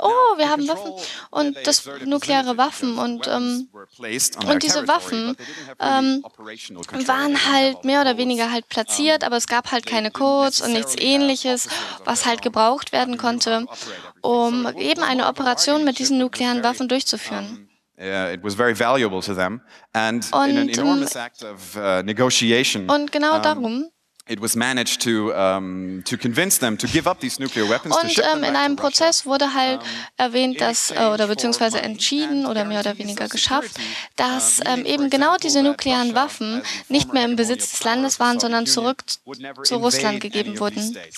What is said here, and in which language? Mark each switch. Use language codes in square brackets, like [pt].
[de] Oh, wir haben Waffen und das nukleare Waffen und diese Waffen waren halt mehr oder weniger halt platziert, aber es gab halt keine Codes und nichts Ähnliches, was halt gebraucht werden konnte, um eben eine Operation mit diesen nuklearen Waffen durchzuführen. [en] It was very valuable to them and in an enormous act of negotiation. [de] Und genau darum. [en] It was managed to convince them to give up these nuclear weapons. [de] Und in einem Prozess wurde halt erwähnt, dass oder beziehungsweise entschieden oder mehr oder weniger geschafft, dass eben genau diese nuklearen Waffen nicht mehr im Besitz des Landes waren, sondern zurück zu Russland gegeben wurden.